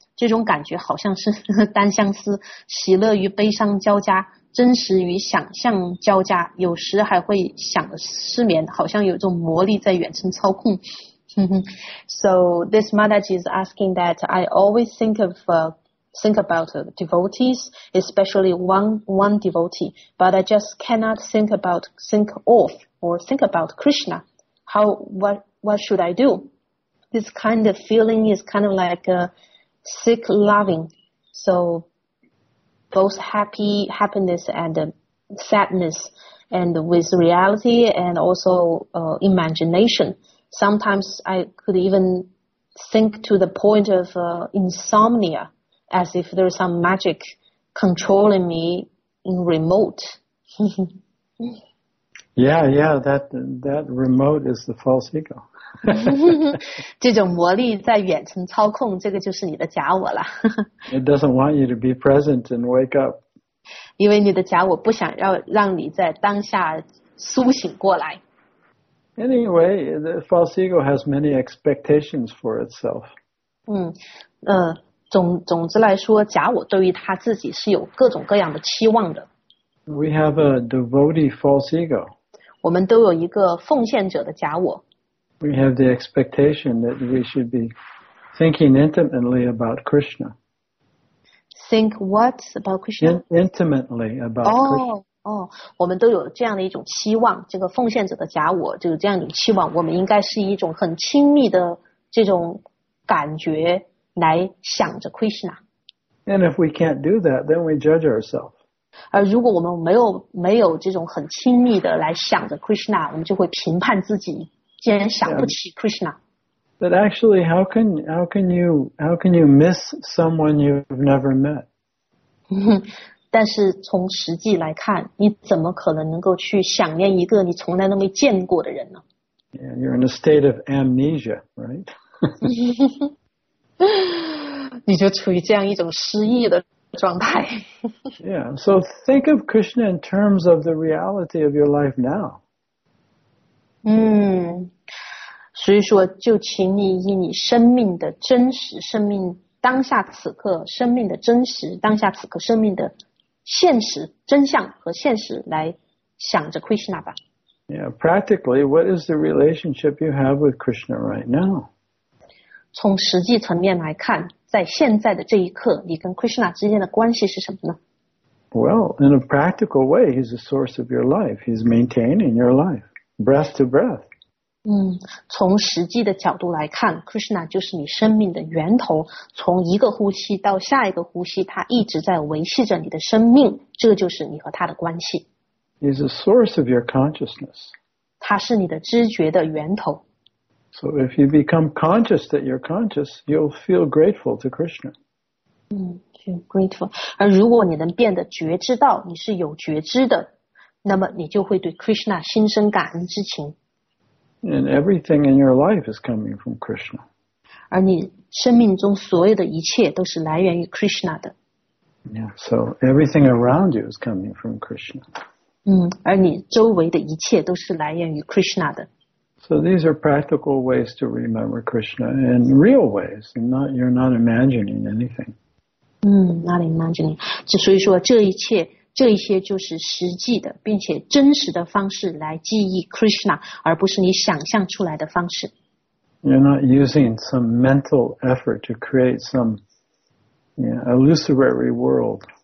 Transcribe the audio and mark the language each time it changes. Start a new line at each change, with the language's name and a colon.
Chinese: 这种感觉好像是单相思，喜乐与悲伤交加，真实与想象交加，有时还会想失眠，好像有一种魔力在远程操控。
English: So this Mataji is asking that I always think about devotees, especially one devotee, but I just cannot think about Krishna. What should I do? This kind of feeling is kind of like a sick loving. So both happiness and sadness, and with reality and also imagination. Sometimes I could even think to the point of insomnia. As if there's some magic controlling me in remote. yeah, that remote is the false ego.
Chinese: 这种魔力在远程操控，这个就是你的假我了。
English: It doesn't want you to be present and wake up.
Chinese: 因为你的假我不想要让你在当下苏醒过来。
English: Anyway, the false ego has many expectations for itself.
Chinese: 总之来说，假我对于他自己是有各种各样的期望的。
English: We have a devotee false ego.
Chinese: 我们都有一个奉献者的假我。
English: We have the expectation that we should be thinking intimately about Krishna. Think what about Krishna? Intimately about Krishna.
Chinese: 我们都有这样的一种期望，这个奉献者的假我就有这样一种期望，我们应该是一种很亲密的这种感觉。来想着 Krishna.
English: And if we can't do that, then we judge ourselves.
Chinese: 而如果我们没有这种很亲密的来想着 Krishna, 我们就会评判自己，竟然想不起 Krishna.
English: But actually, how can you miss someone you've never met?
Chinese: 但是从实际来看，你怎么可能能够去想念一个你从来都没见过的人呢？
English: Yeah, you're in a state of amnesia, right?
Chinese: 你就处于这样一种失忆的状态。
English: Yeah, so think of Krishna in terms of the reality of your life now.
Chinese: 所以说就请你以你生命的真实，生命当下此刻，生命的真实，当下此刻生命的现实，真相和现实来想着 Krishna 吧。
English: Yeah, practically, what is the relationship you have with Krishna right now?
Chinese: 从实际层面来看，在现在的这一刻，你跟 Krishna 之间的关系是什么呢？
English: Well, in a practical way, he's the source of your life. He's maintaining your life, breath to breath.
Chinese: 从实际的角度来看， Krishna 就是你生命的源头，从一个呼吸到下一个呼吸，他一直在维系着你的生命，这就是你和他的关系。
English: He's the source of your consciousness.
Chinese: 他是你的知觉的源头。
English: So if you become conscious that you're conscious, you'll feel grateful to Krishna. Feel grateful.
Chinese: 而如果你能变得觉知到你是有觉知的，那么你就会对 Krishna 心生感恩之情。
English: And everything in your life is coming from Krishna.
Chinese: 而你生命中所有的一切都是来源于 Krishna 的。
English: Yeah, so everything around you is coming from Krishna.
Chinese: 而你周围的一切都是来源于 Krishna 的。
English: So these are practical ways to remember Krishna in real ways, and you're not imagining anything. Not imagining.
Chinese: 所以说这一切就是实际的，并且真实的方式来记忆 Krishna, 而不是你想象出来的方式。
English: You're not using some mental effort to create some illusory world.